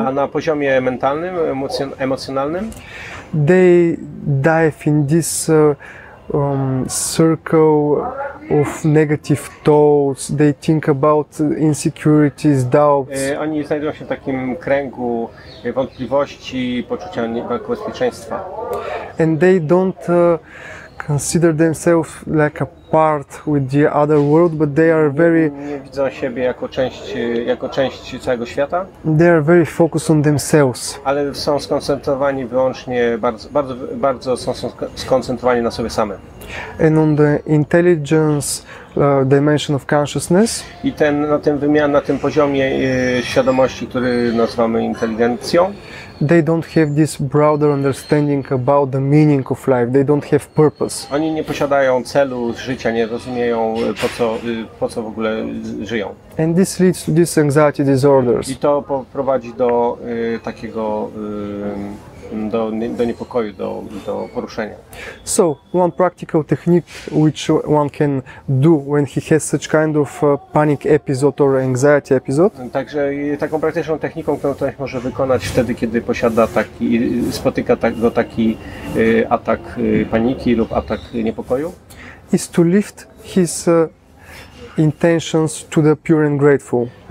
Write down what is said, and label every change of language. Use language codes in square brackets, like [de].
[pl] A na poziomie mentalnym, emocjonalnym. [en] They dive in this circle of negative thoughts. They think about insecurities, doubts. [pl] Oni znajdują się w takim kręgu wątpliwości, poczucia niebezpieczeństwa. [en] And they don't consider themselves like a part with the other world, but they are very. [pl] Nie widzą siebie jako część całego świata. [en] They are very focused on themselves. [pl] Ale są skoncentrowani wyłącznie bardzo są skoncentrowani na sobie samym. [en] And on the intelligence dimension of consciousness. [pl] I ten na tym poziomie świadomości, który nazywamy inteligencją. [en] They don't have this broader understanding about the meaning of life. They don't have purpose. [pl] Oni nie posiadają celu życia, nie rozumieją po co w ogóle żyją. [en] And this leads to these anxiety disorders. [pl] I to prowadzi do takiego do niepokoju, do poruszenia. [en] So, one practical technique which one can do when he has such kind of panic episode or anxiety episode. [pl] Także taką praktyczną techniką, którą ktoś może wykonać wtedy, kiedy posiada taki, spotyka go taki atak paniki lub atak niepokoju. [en] Is to lift his intentions to the pure and grateful.